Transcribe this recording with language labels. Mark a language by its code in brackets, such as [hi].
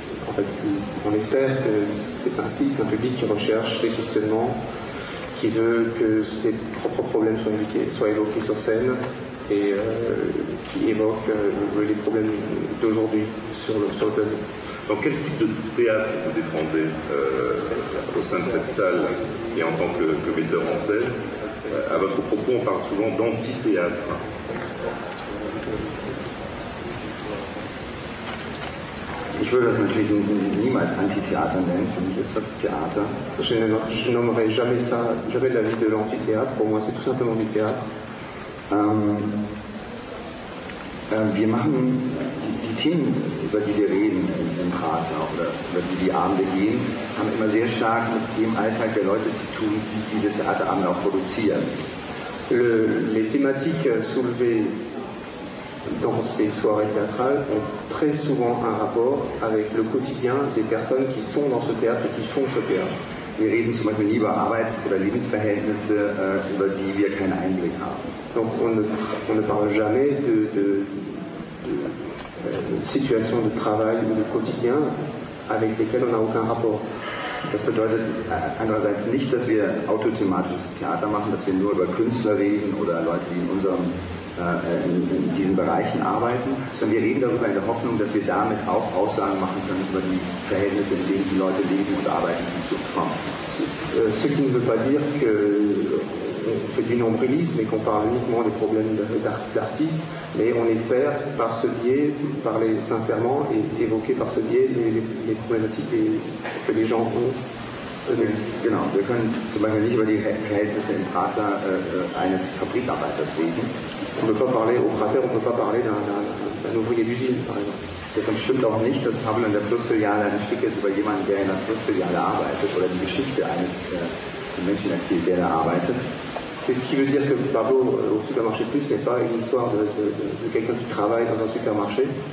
[fr] En fait, on espère que c'est ainsi, c'est un public qui recherche des questionnements, qui veut que ses propres problèmes soient évoqués sur scène, et qui évoque les problèmes d'aujourd'hui sur le plateau. Dans quel type de théâtre vous défendez au sein de cette salle, et en tant que metteur en scène? À votre propos, on parle souvent d'anti-théâtre. [de] Ich würde das natürlich niemals Anti-Theater nennen. Für mich ist das Theater. [fr] Je nommerai jamais ça, jamais la vie de l'anti-théâtre. Pour moi, c'est tout simplement du théâtre. [de] Wir machen die Themen, über die wir reden im Prater oder über die die Abende gehen, haben immer sehr stark mit dem Alltag der Leute zu tun, die diese Theaterabende auch produzieren. [fr] Les thématiques soulevées dans ces soirées théâtrales ont très souvent un rapport avec le quotidien des personnes qui sont dans ce théâtre et qui font ce théâtre. [de] Wir reden zum Beispiel nie über Arbeits- oder Lebensverhältnisse, über die wir keinen Einblick haben. [fr] Donc on ne parle jamais de situations de travail ou de quotidien avec lesquelles on n'a aucun rapport. [de] Das bedeutet andererseits nicht, dass wir autothematisches Theater machen, dass wir nur über Künstler reden oder Leute, die in diesen Bereichen arbeiten, sondern wir reden darüber in der Hoffnung, dass wir damit auch Aussagen machen können über die Verhältnisse, in denen die Leute leben und arbeiten, die zu kommen. [fr] Ce qui ne veut pas dire que on fait du nombrilisme, mais qu'on parle uniquement des problèmes d'artistes, mais on espère, par ce biais, parler sincèrement et évoquer par ce biais les problématiques que les gens ont. Okay. [de] Genau, wir können zum Beispiel nicht über die Verhältnisse im Prater eines Fabrikarbeiters reden. [fr] On ne peut pas parler au Prater, on ne peut pas parler d'un ouvrier d'usine, par exemple. [de] Deshalb stimmt auch nicht, dass Pavel in der Flussfiliale ein Stück ist über jemanden, der in der Flussfiliale arbeitet oder die Geschichte eines Menschen erzählt, der da arbeitet. [fr] C'est ce qui veut dire que Pablo au supermarché plus n'est pas une histoire de quelqu'un qui travaille dans un supermarché,